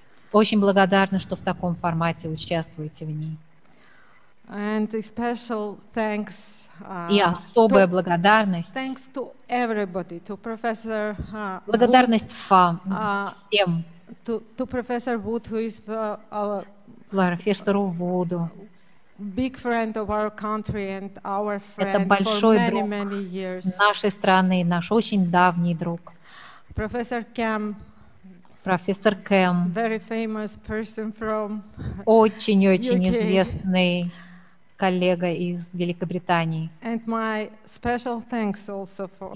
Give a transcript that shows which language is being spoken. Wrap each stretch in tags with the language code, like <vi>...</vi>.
<ru>Очень благодарны, что в таком формате участвуете в ней.</ru> <en>And a special thanks,</en> <ru>и особая благодарность</ru> <en>thanks to everybody, to professor,</en> <ru>благодарность вам, всем.</ru> <en>To Professor Wood, who is</en> <ru>профессору Вуду,</ru> <en>big friend of our country and our friend</en> <ru>это большой</ru> <en>for many,</en> <ru>друг</ru> <en>many years.</en> <ru>Нашей страны, наш очень давний друг.</ru> <en>Professor Kim,</en> <ru>профессор Кэм,</ru> <en>very famous person from</en> <ru>очень-очень</ru> <en>UK.</en> <ru>Известный коллега из Великобритании.</ru> <en>And my special thanks also for</en>